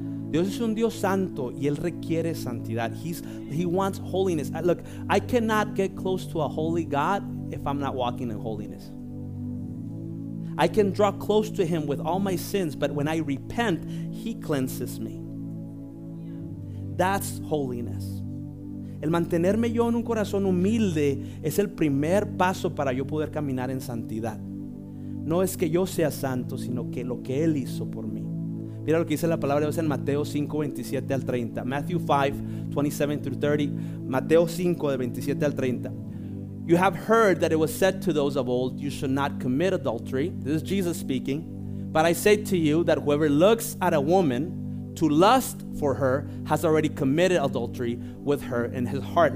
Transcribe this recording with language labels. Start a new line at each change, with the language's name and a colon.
Spanish: Dios es un Dios santo y Él requiere santidad.
English: He wants holiness. Look, I cannot get close to a holy God if I'm not walking in holiness. I can draw close to Him with all my sins, but when I repent, He cleanses me. That's holiness.
Spanish: El mantenerme yo en un corazón humilde es el primer paso para yo poder caminar en santidad. No es que yo sea santo, sino que lo que Él hizo por mí. Mira lo que dice la palabra de Dios en Mateo 5, 27 al 30.
English: Matthew 5, 27 through 30.
Spanish: Mateo 5, de 27 al 30.
English: You have heard that it was said to those of old, you should not commit adultery. This is Jesus speaking. But I say to you that whoever looks at a woman to lust for her has already committed adultery with her in his heart.